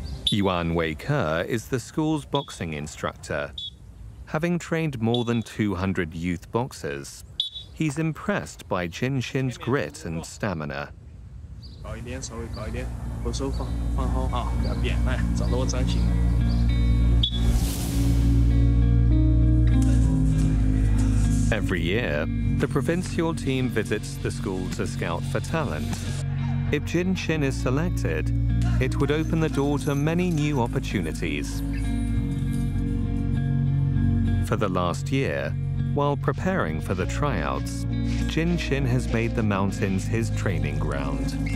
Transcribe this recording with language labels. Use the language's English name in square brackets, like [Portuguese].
[English] Yuan Wei Ker is the school's boxing instructor. Having trained more than 200 youth boxers, he's impressed by Jin Xin's grit and stamina. [Chinese] 高一点，稍微高一点，我手放好，不要扁，哎，找到我掌心。Every [English] year, the provincial team visits the school to scout for talent. If Jin Xin is selected, it would open the door to many new opportunities. For the last year, while preparing for the tryouts, Jin Xin has made the mountains his training ground.